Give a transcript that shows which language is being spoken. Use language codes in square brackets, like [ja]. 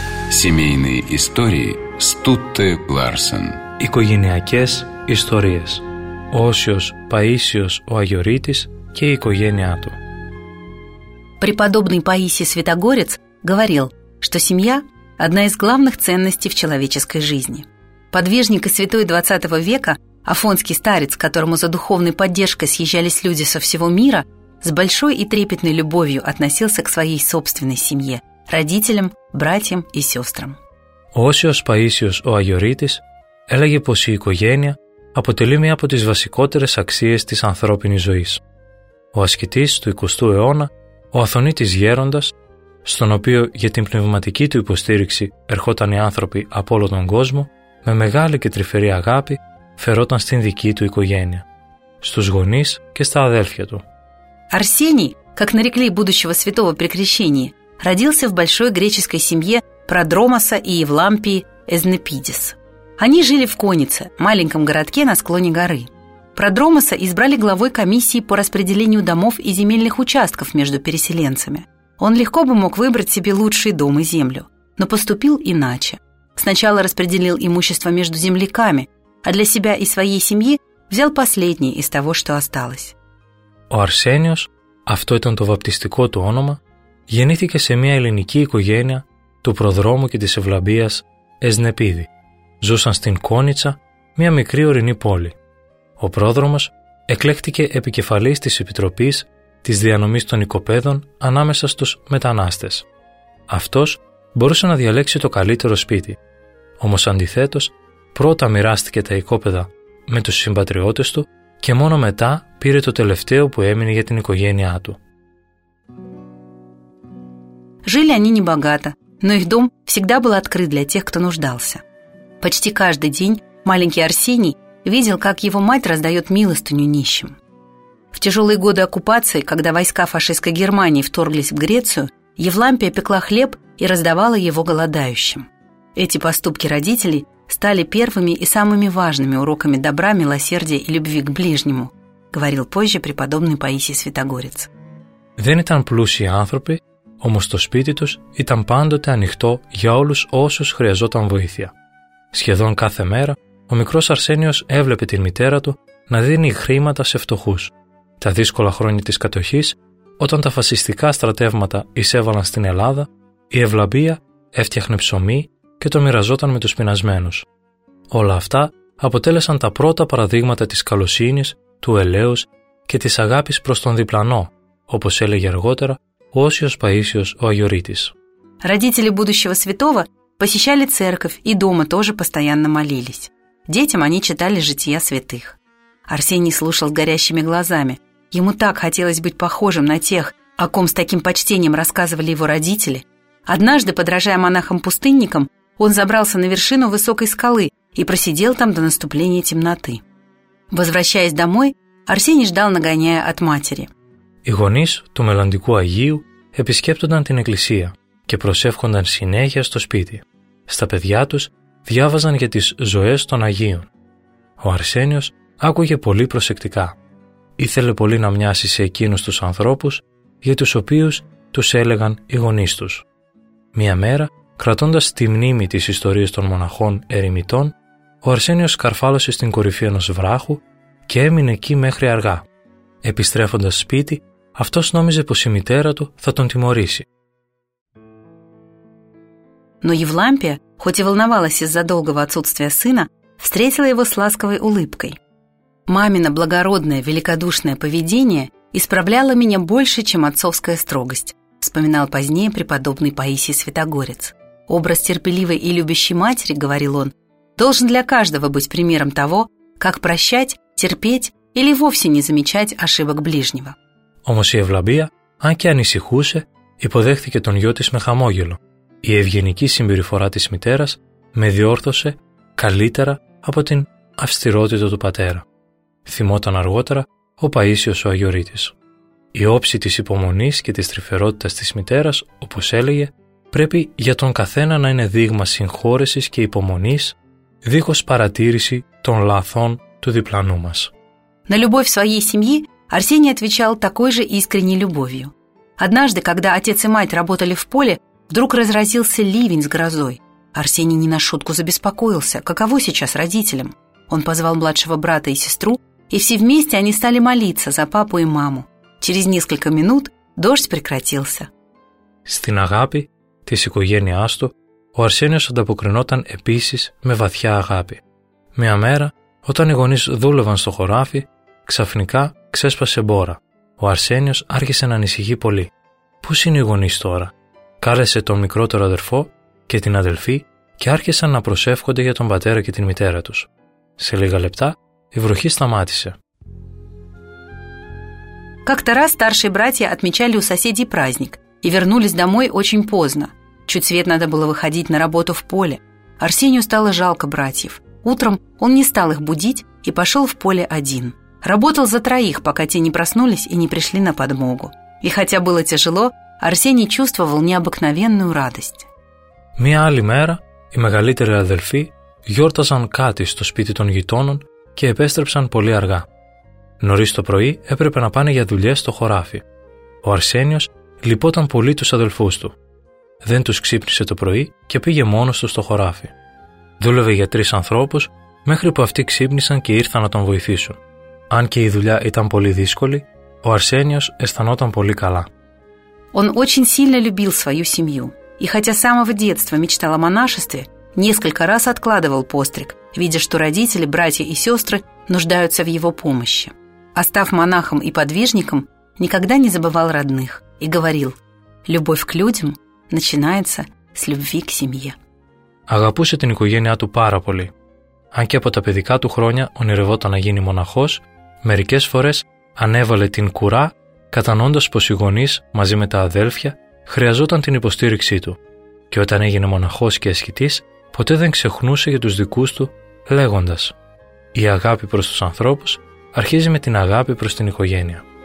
[ru] Семейные истории Стутте Ларсен. [el] Οικογενειακές ιστορίες. Όσιος Παΐσιος ο Αγιορείτης και η οικογένειά του. [ru] Преподобный Паисий Святогорец говорил, что семья – одна из главных ценностей в человеческой жизни. Подвижник и святой 20 века, афонский старец, которому за духовной поддержкой съезжались люди со всего мира, с большой и трепетной любовью относился к своей собственной семье – родителям, братьям и сестрам. [el] Όσιος Παΐσιος ο Αγιορείτης έλεγε πως η οικογένεια αποτελεί μία από τις βασικότερες αξίες της ανθρώπινης ζωής. Ο ασκητής του 20ου αιώνα, ο Αθωνίτης Γέροντας, στον οποίο για την πνευματική του υποστήριξη ερχόταν οι άνθρωποι από όλο τον κόσμο, με μεγάλη και τρυφερή αγάπη φερόταν στην δική του οικογένεια, στους γονείς και στα αδέλφια του. [ru] Αρσένη, как нарекли будущего святого при крещении, родился в большой греческой семье Продромаса и Евлампии Эзнепидис. Они жили в Конице, маленьком городке на склоне горы. Продромаса избрали главой комиссии по распределению домов и земельных участков между переселенцами. Он легко бы мог выбрать себе лучший дом и землю, но поступил иначе. Сначала распределил имущество между земляками, а для себя и своей семьи взял последнее из того, что осталось. [el] Ο Αρσένιος, αυτό ήταν το βαπτιστικό του όνομα, γεννήθηκε σε μια ελληνική οικογένεια του Προδρόμου και της Ευλαμπίας Εσνεπίδη. Ζούσαν στην Κόνιτσα, μια μικρή ορεινή πόλη. Ο Πρόδρομος εκλέχτηκε επικεφαλής της Επιτροπής της Διανομής των Οικοπαίδων ανάμεσα στους μετανάστες. Αυτός μπορούσε να διαλέξει το καλύτερο σπίτι. Όμως αντιθέτως, πρώτα μοιράστηκε τα οικόπεδα με τους συμπατριώτες του και μόνο μετά πήρε το τελευταίο που έμεινε για την οικογένειά του. [ru] Жили они не богато, но их дом всегда был открыт для тех, кто нуждался. Почти каждый день маленький Арсений видел, как его мать раздает милостыню нищим. В тяжелые годы оккупации, когда войска фашистской Германии вторглись в Грецию, Евлампия пекла хлеб и раздавала его голодающим. Эти поступки родителей стали первыми и самыми важными уроками добра, милосердия и любви к ближнему, говорил позже преподобный Паисий Святогорец. [el] Δεν ήταν πλούσιοι άνθρωποι, όμως το σπίτι τους ήταν πάντοτε ανοιχτό για όλους όσους χρειαζόταν βοήθεια. Σχεδόν κάθε μέρα, ο μικρός Αρσένιος έβλεπε την μητέρα του να δίνει χρήματα σε φτωχούς. Τα δύσκολα χρόνια της κατοχής, όταν τα φασιστικά στρατεύματα εισέβαλαν στην Ελλάδα, η Ευλαμπία έφτιαχνε ψωμί και το μοιραζόταν με τους πεινασμένους. Όλα αυτά αποτέλεσαν τα πρώτα παραδείγματα της καλοσύνης, του ελέους και της αγάπης προς τον διπλανό, όπως έλεγε αργότερα Όσιος Παΐσιος ο Αγιορείτης. [ru] Родители будущего святого посещали церковь и дома тоже постоянно молились. Детям они читали жития святых. Арсений слушал с горящими глазами. Ему так хотелось быть похожим на тех, о ком с таким почтением рассказывали его родители. Однажды, подражая монахам-пустынникам, он забрался на вершину высокой скалы и просидел там до наступления темноты. Возвращаясь домой, Арсений ждал, нагоняя от матери. [el] Οι γονείς του μελλοντικού Αγίου επισκέπτονταν την εκκλησία και προσεύχονταν συνέχεια στο σπίτι. Στα παιδιά τους διάβαζαν για τις ζωές των Αγίων. Ο Αρσένιος άκουγε πολύ προσεκτικά. Ήθελε πολύ να μοιάσει σε εκείνους τους ανθρώπους για τους οποίους τους έλεγαν οι γονείς τους. Μία μέρα, κρατώντας τη μνήμη της ιστορίας των μοναχών ερημητών, ο Αρσένιος σκαρφάλωσε στην κορυφή ενός βράχου και έμεινε εκεί μέχρι αργά. Επιστρέφοντας σπίτι, αυτός νόμιζε πως η μητέρα του θα τον τιμωρήσει. [ru] Но Евлампия, хоть и волновалась из-за долгого отсутствия сына, встретила его с ласковой улыбкой. «Мамино благородное, великодушное поведение исправляло меня больше, чем отцовская строгость», вспоминал позднее преподобный Паисий Святогорец. «Образ терпеливой и любящей матери, — говорил он, — должен для каждого быть примером того, как прощать, терпеть или вовсе не замечать ошибок ближнего». [el] Όμως η Ευλαμπία, αν και ανησυχούσε, υποδέχθηκε τον γιο της με χαμόγελο. Η ευγενική συμπεριφορά της μητέρας με διόρθωσε καλύτερα από την αυστηρότητα του πατέρα, θυμόταν αργότερα ο Παΐσιος ο Αγιορείτης. Η όψη της υπομονής και της τρυφερότητας της μητέρας, όπως έλεγε, πρέπει για τον καθένα να είναι δείγμα συγχώρεσης και υπομονής, δίχως παρατήρηση των λαθών του διπλανού μας. [ru] На любовь своей семьи Арсений отвечал такой же искренней любовью. Однажды, когда отец и мать работали в поле, вдруг разразился ливень с грозой. Арсений не на шутку забеспокоился, каково сейчас родителям. Он позвал младшего брата и сестру, и все вместе они стали молиться за папу и маму. Через несколько минут дождь прекратился. [el] Στην αγάπη της οικογένειάς του, ο Αρσένιος ανταποκρινόταν επίσης με βαθιά αγάπη. Μια μέρα, όταν οι γονείς δούλευαν στο χωράφι, ξαφνικά ξέσπασε μπόρα. Ο Αρσένιος άρχισε να ανησυχεί πολύ. «Πού είναι οι γονείς τώρα?» Κάλεσε τον μικρότερο αδερφό και την αδελφή και άρχισαν να προσεύχονται για τον πατέρα και την μητέρα τους. Σε λίγα λεπτά η βροχή σταμάτησε. [ru] Как-то раз старшие братья отмечали у соседей праздник и вернулись домой очень поздно. Чуть свет надо было выходить на работу в поле. Арсению стало жалко братьев. Утром он не стал их будить и пошел в поле один. Работал за троих, пока те не проснулись и не пришли на подмогу. И хотя было тяжело, Арсений чувствовал необыкновенную радость. [el] Мия Алимера и мегалитеры адельфи γιόρταζαν κάτι στο σπίτι των γειτόνων και επέστρεψαν πολύ αργά. Νωρίς το πρωί έπρεπε να πάνε για δουλειές στο χωράφι. Ο Αρσένιος λυπόταν πολύ τους αδελφούς του. Δεν τους ξύπνησε το πρωί και πήγε μόνος του στο χωράφι. Δούλευε για τρεις ανθρώπους μέχρι που αυτοί ξύπνησαν και ήρθαν να τον βοηθήσουν. Αν και η δουλειά ήταν πολύ δύσκολη, ο Αρσένιος αισθανόταν πολύ καλά. [ru] Он очень сильно любил свою семью. И хотя с самого детства мечтал о монашестве, несколько раз откладывал постриг, видя, что родители, братья и сестры нуждаются в его помощи. А став монахом и подвижником, никогда не забывал родных и говорил: «Любовь к людям начинается с любви к семье». [el] Αγαπούσε την οικογένειά του πάρα πολύ. Αν και από τα παιδικά του χρόνια ονειρευόταν να γίνει μοναχός, μερικές φορές ανέβαλε την κουρά, κατανοώντας πως οι γονείς μαζί με τα αδέλφια χρειαζόταν την υποστήριξή του. Και όταν έγινε μοναχός και ασκητής, ποτέ δεν ξεχνούσε για τους δικούς του, λέγοντας: «Η αγάπη προς τους ανθρώπους αρχίζει με την αγάπη προς την οικογένεια».